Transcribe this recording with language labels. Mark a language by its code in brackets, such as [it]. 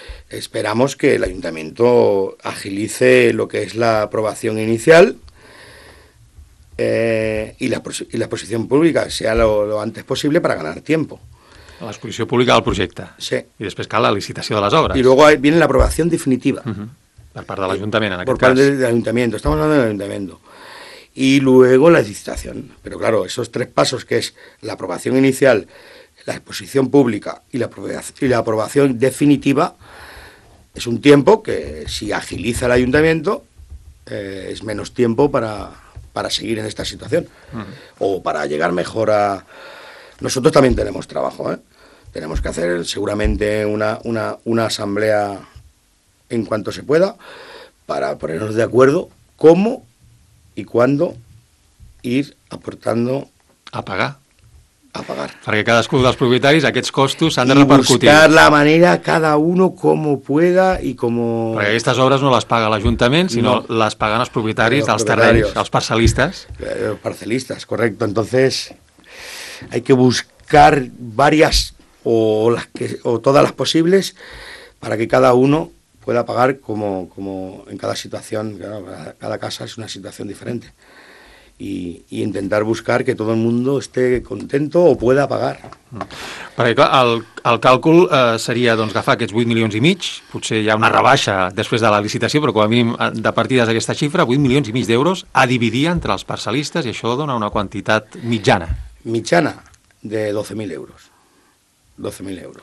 [es] Esperamos que el ayuntamiento agilice lo que es la aprobación inicial y la exposición pública sea lo antes posible para ganar tiempo. La exposición pública del proyecto. Sí. Y después cae la licitación de las obras. Y luego viene la aprobación definitiva. Uh-huh. [ca] Per part de l'Ajuntament, en aquest cas. Per part de l'Ajuntament, estem parlant de l'Ajuntament. I luego la licitació. Però, [es] claro, esos [ca] tres passos, que és l'aprovació inicial, l'exposició pública i l'aprovació definitiva, és un temps que, si agilitza l'Ajuntament, és menys temps per seguir en aquesta situació. O per arribar millor a... Nosotros també tenim treball. Tenim que fer segurament una assemblea [es] en cuanto se pueda, para ponernos de acuerdo cómo y cuándo ir aportando... A pagar. [ca] Perquè cadascun dels propietaris, aquests costos s'han de repercutir. [es] I buscar la manera, cada uno, como pueda y como... [ca] Perquè aquestes obres no les paga l'Ajuntament, sinó les paguen els propietaris dels terrenys, els parcel·listes. [es] Los parcel·listes, correcto. Entonces, hay que buscar varias o todas las posibles para que cada uno pueda pagar como en cada situación, cada casa es una situación diferente, y intentar buscar que todo el mundo esté contento o pueda pagar. [ca] Perquè, clar, el càlcul seria, doncs, agafar aquests 8 milions i mig, potser hi ha una rebaixa després de la licitació, però com a mínim de partides d'aquesta xifra, 8 milions i mig d'euros a dividir entre els parcel·listes, i això dona una quantitat mitjana. Mitjana de 12.000 euros. 12.000 euros.